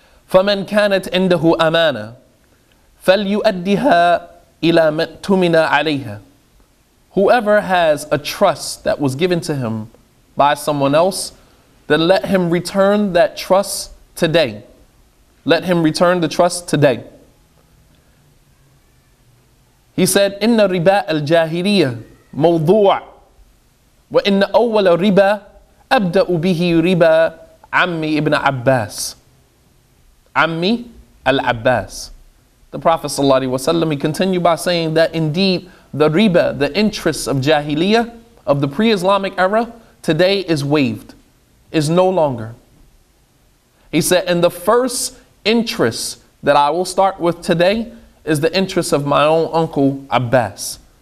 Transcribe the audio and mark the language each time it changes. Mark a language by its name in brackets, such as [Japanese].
[Arabic] فَمَنْ كَانَتْ عِنْدَهُ أَمَانَةٌ فَلْيُؤَدِّهَا إِلَى مَنْ تُمِنَ عَلَيْهَا. [English] Whoever has a trust that was given to him by someone else, then let him return that trust today. Let him return the trust today. He said, [Arabic] إِنَّ رِبَا الْجَاهِلِيَّةِ مَوْضُوعٌ وَإِنَّ أَوَّلَ رِبَا أَبْدَأُ بِهِ رِبَا عَمِّي إِبْنَ عَبَّاسٍ Ammi al-Abbas. [English] The Prophet sallallahu alaihi wasallam, he continued by saying that indeed the riba, the interests of jahiliyyah, of the pre-Islamic era, today is waived, is no longer. He said, and the first interest that I will start with today is the interest of my own uncle Abbas.